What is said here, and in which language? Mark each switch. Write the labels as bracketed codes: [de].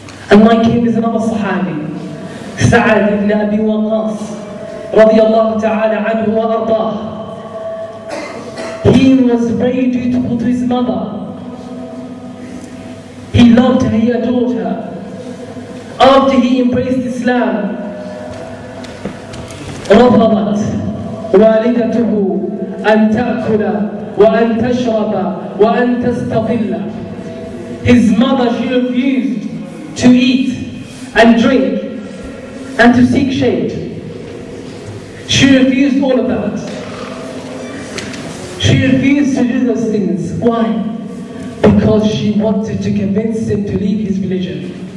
[en] And like him is another Sahabi, Sa'ad ibn Abi Waqas, radiallahu ta'ala anhu wa ardah. He was very dutiful to his mother. He loved her, he adored her. After he embraced Islam, [ar] رفضت والدته أن تأكل وأن تشرب وأن تستظل. [en] His mother, she refused to eat and drink and to seek shade. She refused all of that. She refused to do those things. Why? Because she wanted to convince him to leave his religion.